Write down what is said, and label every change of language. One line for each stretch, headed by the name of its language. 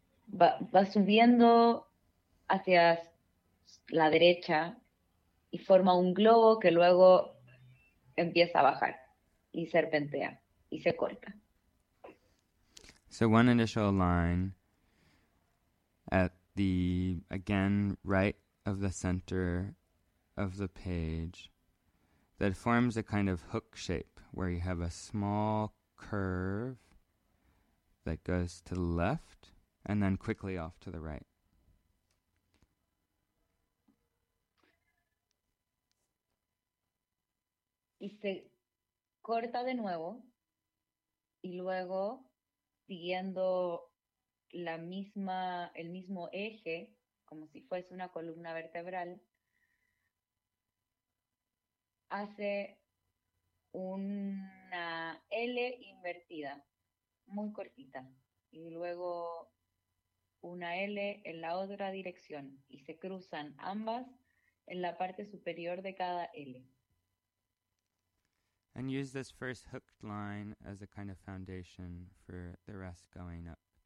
Spanish: Va subiendo hacia la derecha y forma un globo que luego empieza a bajar y serpentea y se corta.
English: So one initial line at the, again, right of the center of the page that forms a kind of hook shape where you have a small curve that goes to the left and then quickly off to the right.
Spanish: Y se corta de nuevo y luego siguiendo la misma, el mismo eje, como si fuese una columna vertebral, hace una L invertida, muy cortita, y luego una L en la otra dirección, y se cruzan ambas en la parte superior de cada L.
English: And use this first hooked line as a kind of foundation for the rest going up.